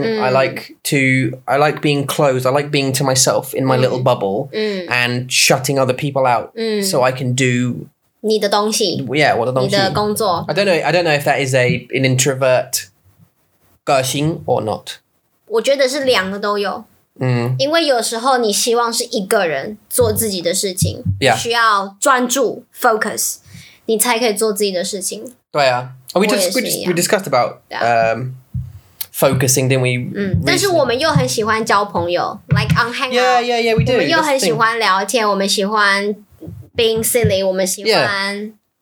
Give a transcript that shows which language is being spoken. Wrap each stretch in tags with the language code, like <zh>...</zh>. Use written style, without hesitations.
<en>mm. I like being closed, I like being to myself in my mm. little bubble mm. and shutting other people out mm. so I can do</en> <zh>你的东西,</zh> <en>yeah,</en> <zh>我的东西, 你的工作,</zh> <en>I don't know if that is an introvert 个性 or not.</en> <zh>我觉得是两个都有, mm. 因为有时候你希望是一个人做自己的事情,</zh> <en>yeah.</en> <zh>需要专注, focus, 你才可以做自己的事情, 对啊,</zh> <en>oh, we discussed about focusing, didn't we?</en> <zh>但是我们又很喜欢交朋友,</zh> <en>like on hangout. Yeah, we do.</en> <zh>我们又很喜欢聊天, 我们喜欢</zh> <en>being silly,</en> <zh>我们喜欢</zh>